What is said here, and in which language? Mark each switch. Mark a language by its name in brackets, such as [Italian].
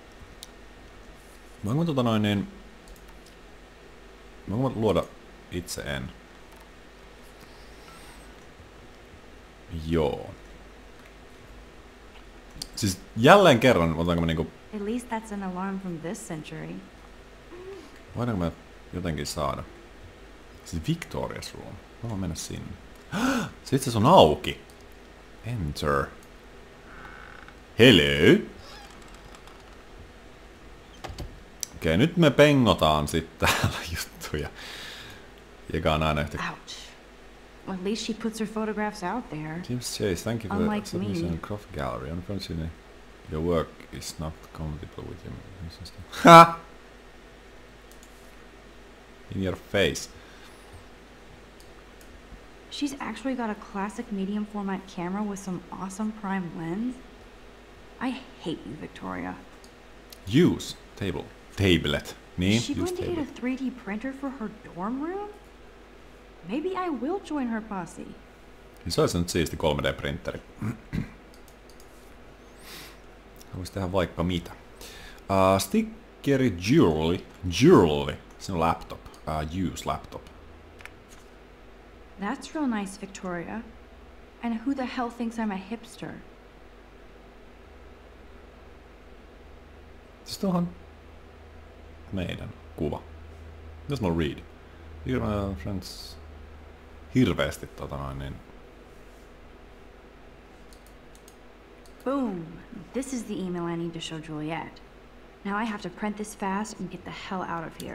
[Finnish] Mm-hmm. Voinko tota noin niin... Voinko luoda itse en? Joo. Siis jälleen kerran, otanko mä niinku... [English] At least that's an alarm from this century. [Finnish] Voidaanko mä jotenkin saada? Siis Victoria's room. Mä voin mennä sinne. Sitten se on auki. [English] Enter. Hello. [Finnish] Okei, nyt me pengotaan sitten täällä juttuja. Joka on aina yhtä... [English] Ouch. Well, at least she puts her photographs out there. Team Chase, thank you for the submission in the Croft Gallery. Unfortunately, your work is not compatible with your system. Ha! In your face. She's actually got a classic medium format camera with some awesome prime lens. I hate you, Victoria. Use table. Tablet. [Finnish] Niin, [English] use table. Is she going to get a 3D printer for her dorm room? Maybe I will join her posse. [Finnish] Se olisi nyt siisti 3D-printeri. Voisi tehdä vaikka mitä. [English] Stickeri Jewelry. Jewelry. [Finnish] Se on [English] laptop. Use laptop. That's real nice, Victoria. And who the hell thinks I'm a hipster? [Finnish] Siis tuohon meidän kuva. Mitäs mulla read? [English] Dear friends... [Finnish] Hirveästi tota noin niin. [English] Boom. This is the email I need to show Juliet. Now I have to print this fast and get the hell out of here.